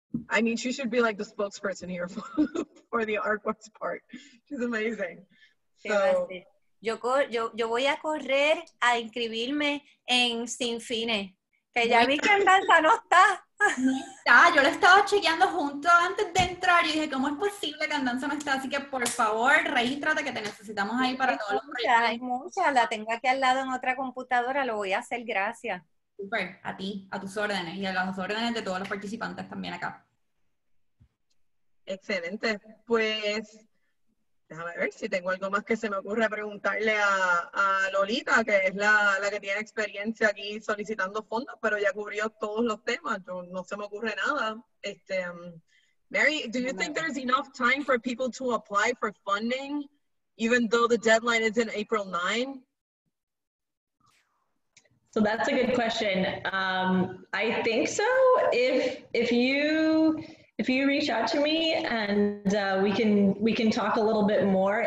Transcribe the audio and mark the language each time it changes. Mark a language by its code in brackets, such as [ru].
[en] I mean, she should be like the spokesperson here for the artworks part. She's amazing. So, [es] yo voy a correr a inscribirme en Sin Fines, que ya vi que en Danza no está. Está, yo lo estaba chequeando junto antes de entrar y dije, ¿cómo es posible que en Danza no está? Así que por favor, regístrate que te necesitamos ahí para todos los proyectos. Hay muchas, la tengo aquí al lado en otra computadora, lo voy a hacer, gracias. Super, a ti, a tus órdenes y a las órdenes de todos los participantes también acá. Excelente. Pues, déjame ver si tengo algo más que se me ocurre preguntarle a Lolita, que es la que tiene experiencia aquí solicitando fondos, pero ya cubrió todos los temas. Yo, no se me ocurre nada. [en] Mary, do you think there's enough time for people to apply for funding, even though the deadline is in April 9? So that's a good question. I think so. If you reach out to me and we can talk a little bit more.